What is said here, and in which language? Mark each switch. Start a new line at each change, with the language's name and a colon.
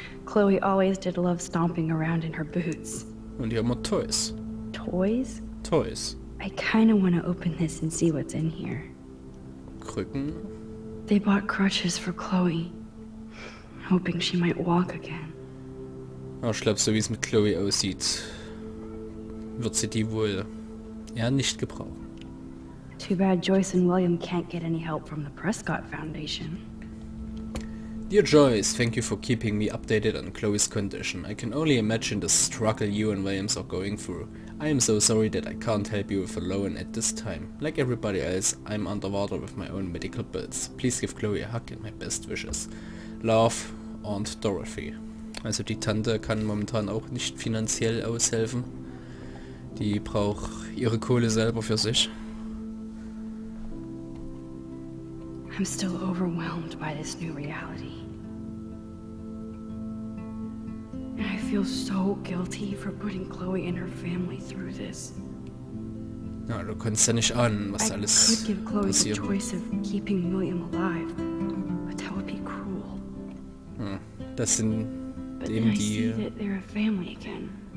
English: Chloe always did love stomping around in her boots.
German: Und hier haben wir Toys.
English: Toys? Toys. I kinda wanna open this and see what's in here.
German: Krücken?
English: They bought crutches for Chloe, hoping she might walk again.
German: Oh, ich glaube, so wie es mit Chloe aussieht, wird sie die wohl eher nicht gebrauchen.
English: Too bad Joyce and William can't get any help from the Prescott Foundation. Dear Joyce, thank you for keeping me updated on Chloe's condition. I can only imagine the struggle you and Williams are going through. I am so sorry that I can't help you with a loan at this time. Like everybody else, I'm underwater with my own medical bills. Please give Chloe a hug and my best wishes. Love, Aunt Dorothy.
German: Also die Tante kann momentan auch nicht finanziell aushelfen. Die braucht ihre Kohle selber für sich.
English: I'm still overwhelmed by this new reality. And I feel so guilty for putting Chloe and her family through this.
German: Na, du kannst ja nicht ahnen, was alles passiert.
English: I could give Chloe the choice of keeping William alive, but that would be cruel.
German: Hm, das sind dem die...
English: But then I see that they're a family again.